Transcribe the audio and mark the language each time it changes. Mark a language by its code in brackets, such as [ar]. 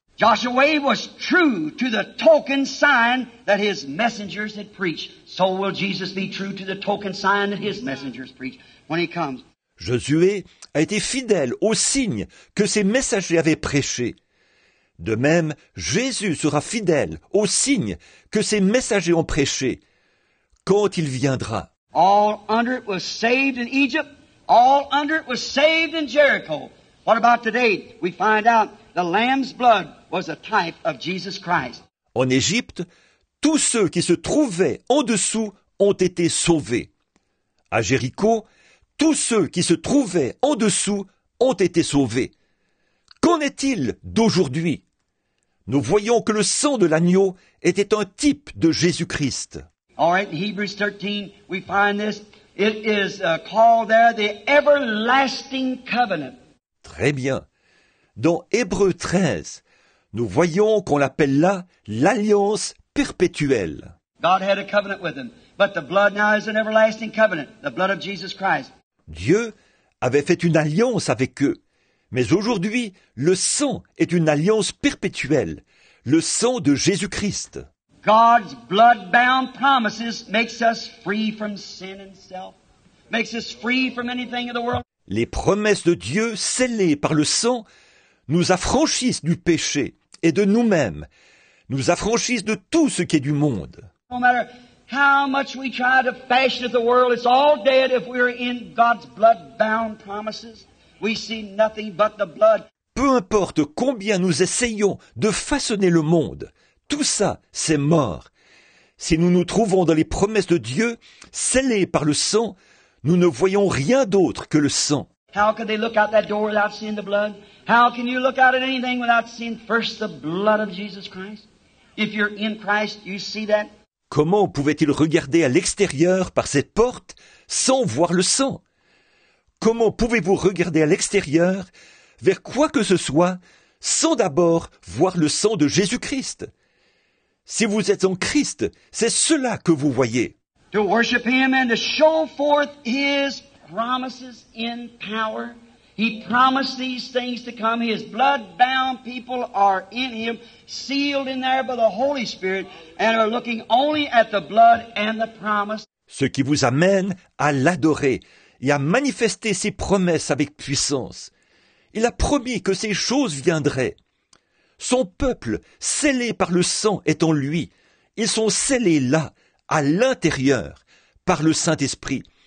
[en] Joshua was true to the token sign that his messengers had preached. So will Jesus be true to the token sign that his messengers preached when he comes. [fr] Josué a été fidèle au signe que ses messagers avaient prêché. De même, Jésus sera fidèle au signe que ses messagers ont prêché quand il viendra. [en] All under it was saved in Egypt. All under it was saved in Jericho. What about today? We find out the lamb's blood was a type of Jesus Christ. [fr] En Égypte, tous ceux qui se trouvaient en dessous ont été sauvés. À Jéricho, tous ceux qui se trouvaient en dessous ont été sauvés. Qu'en est-il d'aujourd'hui? Nous voyons que le sang de l'agneau était un type de Jésus-Christ. [en] All right, in Hebrews 13, we find this. It is called there the everlasting covenant. [fr] Très bien. Dans Hébreux 13, nous voyons qu'on l'appelle là l'alliance perpétuelle. [en] God had a covenant with him, but the blood now is an everlasting covenant, the blood of Jesus Christ. [fr] Dieu avait fait une alliance avec eux, mais aujourd'hui, le sang est une alliance perpétuelle, le sang de Jésus-Christ. [en] God's blood-bound promises makes us free from sin and self, makes us free from anything of the world. [fr] Les promesses de Dieu scellées par le sang nous affranchissent du péché et de nous-mêmes, nous affranchissent de tout ce qui est du monde. [en] No matter how much we try to fashion the world, it's all dead if we're in God's blood-bound promises. We see nothing but the blood. [fr] Peu importe combien nous essayons de façonner le monde, tout ça, c'est mort. Si nous nous trouvons dans les promesses de Dieu, scellées par le sang, nous ne voyons rien d'autre que le sang. [en] How can they look out that door without seeing the blood? How can you look out at anything without seeing first the blood of Jesus Christ? If you're in Christ, you see that. [fr] Comment pouvait-il regarder à l'extérieur par cette porte sans voir le sang? Comment pouvez-vous regarder à l'extérieur vers quoi que ce soit sans d'abord voir le sang de Jésus-Christ? Si vous êtes en Christ, c'est cela que vous voyez. [en] To worship him and to show forth his promises in power. He promised these things to come. His blood-bound people are in him, sealed in there by the Holy Spirit, and are looking only at the blood and the promise. [fr] Ce qui vous amène à l'adorer et à manifester ses promesses avec puissance. Il a promis que ces choses viendraient. Son peuple, scellé par le sang, est en lui. Ils sont scellés là, à l'intérieur, par le Saint-Esprit.